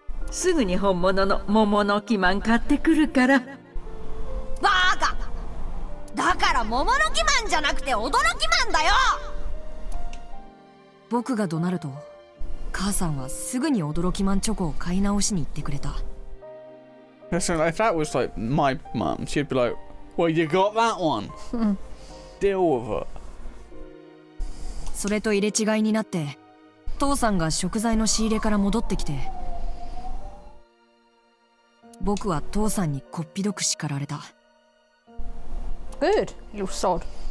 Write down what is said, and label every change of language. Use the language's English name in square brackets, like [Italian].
[Japanese] すぐに本物の桃の木まん買ってくるから。バカ、だから桃の木まんじゃなくて驚きまんだよ。僕が怒鳴ると母さんはすぐに驚きまんチョコを買い直しに行ってくれた。 [English] Listen, if that was like my mom, she'd be like, well, you got that one. Deal with it. [Japanese] それと入れ違いになって、父さんが食材の仕入れから戻ってきて、僕は父さんにこっぴどく叱られた。 [English] Good, you sod.